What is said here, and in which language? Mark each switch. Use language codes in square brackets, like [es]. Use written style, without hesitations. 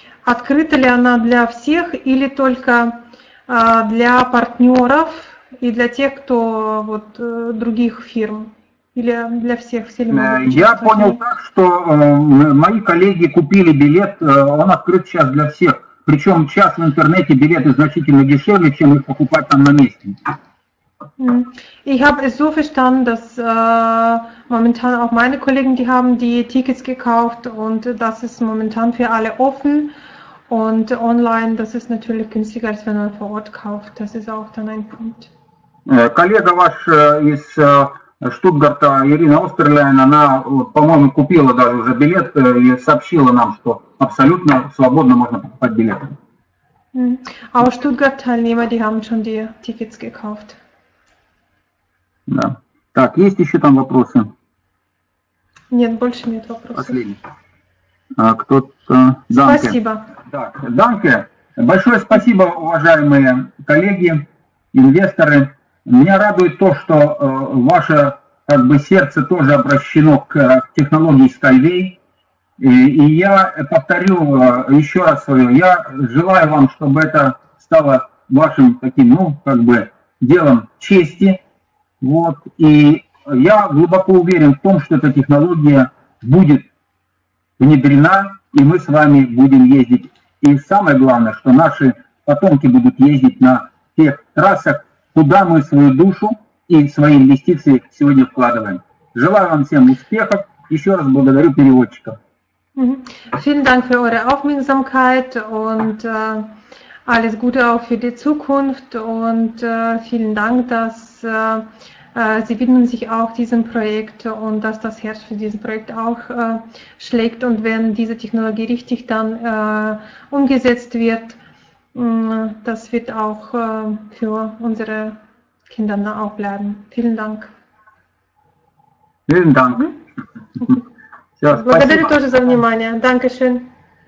[ru] Открыта ли она для всех или только для партнеров и для тех, кто вот других фирм? Или для всех? Все ли могут? Я понял так, что мои коллеги купили билет, он открыт сейчас для всех. Причем сейчас в интернете билеты значительно дешевле, чем их покупать там на месте. [de] Ich habe es so verstanden, dass momentan auch meine Kollegen, die haben die Tickets gekauft und das ist momentan für alle offen. Und online, das ist natürlich günstiger, als wenn man vor Ort kauft. Das ist auch dann ein Punkt. [ru] Коллега ваш из Штутгарта, Ирина Остерлайн, она, по-моему, купила даже уже билет и сообщила нам, что абсолютно свободно можно покупать билеты. [de] Auch Stuttgart-Teilnehmer, die haben schon die Tickets gekauft. [ru] Да. Так, есть еще там вопросы? Нет, больше нет вопросов. Последний. Кто-то... Данке. Спасибо. Так, Данке, большое спасибо, уважаемые коллеги, инвесторы. Меня радует то, что ваше как бы сердце тоже обращено к технологии Skyway. И я повторю еще раз свое. Я желаю вам, чтобы это стало вашим таким, ну, как бы, делом чести. Вот. И я глубоко уверен в том, что эта технология будет внедрена, и мы с вами будем ездить. И самое главное, что наши потомки будут ездить на тех трассах, куда мы свою душу и свои инвестиции сегодня вкладываем. Желаю вам всем успехов. Еще раз благодарю переводчиков. [de] Vielen Dank für eure Aufmerksamkeit und alles Gute auch für die Zukunft und vielen Dank, dass Sie widmen sich auch diesem Projekt und dass das Herz für dieses Projekt auch schlägt. Und wenn diese Technologie richtig dann umgesetzt wird, das wird auch für unsere Kinder dann auch bleiben. Vielen Dank. Vielen Dank. [ru] Благодарю тоже за внимание. [de] Dankeschön.